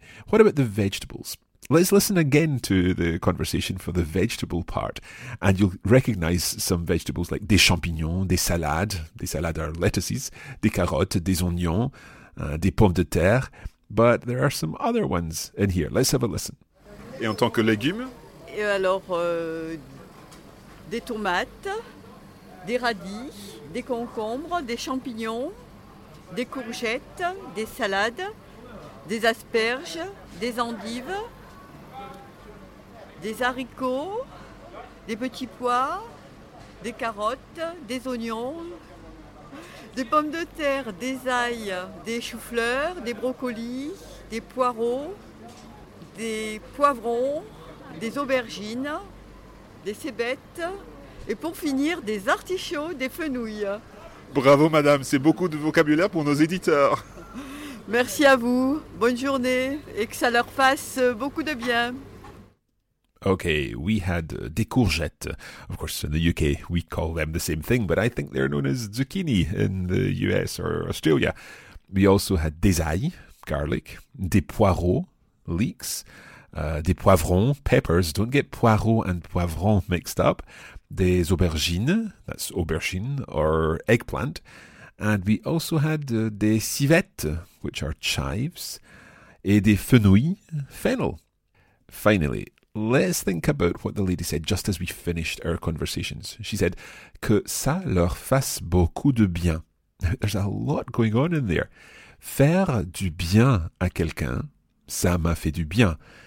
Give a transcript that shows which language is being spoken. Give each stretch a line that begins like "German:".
English: What about the vegetables? Let's listen again to the conversation for the vegetable part, and you'll recognize some vegetables like des champignons, des salades are lettuces, des carottes, des oignons, des pommes de terre, but there are some other ones in here. Let's have a listen.
French: Et en tant que légumes? Et alors, des tomates, des radis, des concombres, des champignons, des courgettes, des salades, des asperges, des endives, des haricots, des petits pois, des carottes, des oignons, des pommes de terre, des ails, des choux-fleurs, des brocolis, des poireaux, des poivrons, des aubergines, des cébettes et pour finir, des artichauts, des fenouilles. Bravo madame, c'est beaucoup de vocabulaire pour nos éditeurs. Merci à vous, bonne journée et que ça leur fasse beaucoup de bien.
English: Okay, we had des courgettes. Of course, in the UK, we call them the same thing, but I think they're known as zucchini in the US or Australia. We also had des ail, garlic, des poireaux, leeks, des poivrons, peppers. Don't get poireaux and poivrons mixed up. Des aubergines, that's aubergine, or eggplant. And we also had des civettes, which are chives, et des fenouilles, fennel. Finally, let's think about what the lady said just as we finished our conversations. She said,
French: que ça leur fasse beaucoup de bien.
English: There's a lot going on in there.
French: Faire du bien à quelqu'un, ça m'a fait du bien.